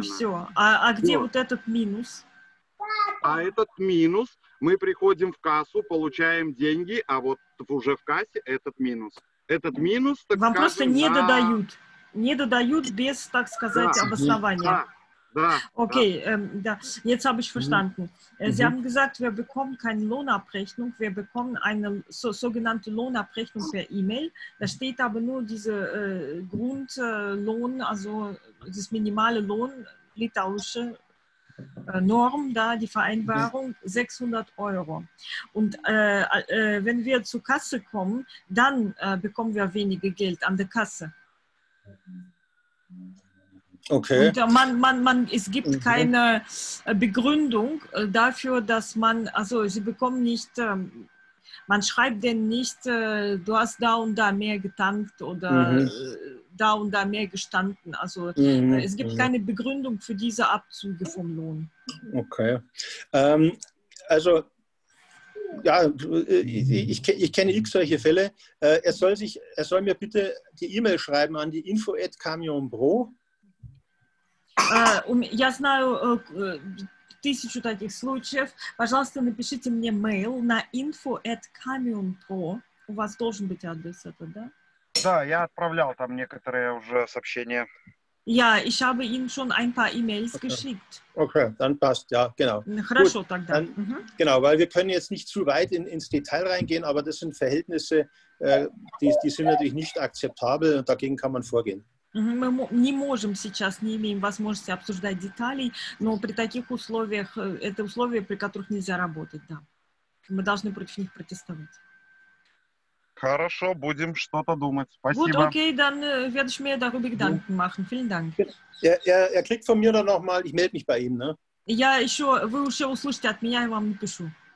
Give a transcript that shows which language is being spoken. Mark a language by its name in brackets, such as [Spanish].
[Russian] И все. А где вот этот минус? А этот минус, мы приходим в кассу, получаем деньги, а вот уже в кассе этот минус. Этот минус, так вам просто не додают. Не додают без, так сказать, обоснования. Да. Окей, да. [German] Jetzt habe ich verstanden. Sie haben gesagt, wir bekommen keine Lohnabrechnung, wir bekommen eine sogenannte Lohnabrechnung per E-Mail. Da steht aber nur diese Grundlohn, also das minimale Lohn, litauische Norm, da die Vereinbarung, 600 Euro. Und wenn wir zur Kasse kommen, dann bekommen wir weniger Geld an der Kasse. Okay. Und es gibt keine Begründung dafür, dass man, also sie bekommen nicht, man schreibt denen nicht, du hast da und da mehr getankt oder da und da mehr gestanden. Also es gibt keine Begründung für diese Abzüge vom Lohn. Okay. Also ja, ich kenne x solche Fälle. Er soll mir bitte die E-Mail schreiben an die info@camionpro. [Russian] Я знаю тысячу таких случаев. Пожалуйста, напишите мне mail на info@camionpro. У вас должен быть адрес это, да? Да, я отправлял там некоторые уже сообщения. [German] Ja, ich habe Ihnen schon ein paar E-Mails geschickt. Okay, dann passt, ja, genau. [Russian] Хорошо, [German] gut, [Russian] тогда. [German] Dann, genau, weil wir können jetzt nicht zu weit ins Detail reingehen, aber das sind Verhältnisse, die sind natürlich nicht akzeptabel und dagegen kann man vorgehen. [Russian] Мы не можем сейчас, не имеем возможности обсуждать деталей, но при таких условиях, это условия, при которых нельзя работать, да. Мы должны против них протестовать. Хорошо, будем что-то думать. Спасибо. Вот, окей, [German] dann werde ich mir darüber Gedanken machen. Vielen Dank. Er kriegt von mir dann nochmal, ich melde mich bei ihm, ne? [Russian] Я еще, вы еще услышите от меня, я вам напишу.